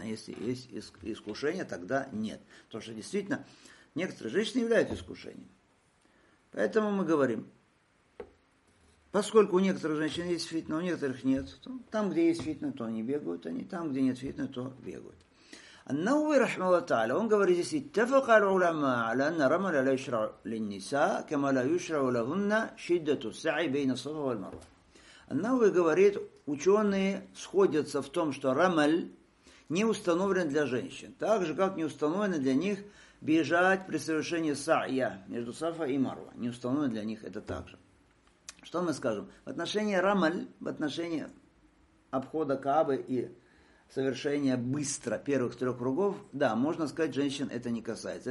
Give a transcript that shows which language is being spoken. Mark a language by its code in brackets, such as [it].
[ru] Если есть искушение, тогда нет. Потому что действительно, некоторые женщины являются искушением. Поэтому мы говорим, поскольку у некоторых женщин есть фитна, у некоторых нет, то там, где есть фитна, то они бегают, они там, где нет фитна, то бегают. [ar] النووي رحمه الله تعالى [ru] он говорит здесь [ar] اتفق العلماء على أن رمل لا يشرع للنساء كما لا يشرع لهن شدة السعي بين الصفا والمروة. [ru] النووي говорит ученые сходятся в том, что رمل не установлен для женщин, так же как не установлено для них бежать при совершении сая между Сафа и Марва. Не установлено для них это также. Что мы скажем? В отношении рамаль, в отношении обхода Каабы и совершения быстро первых трех кругов, да, можно сказать, женщин это не касается.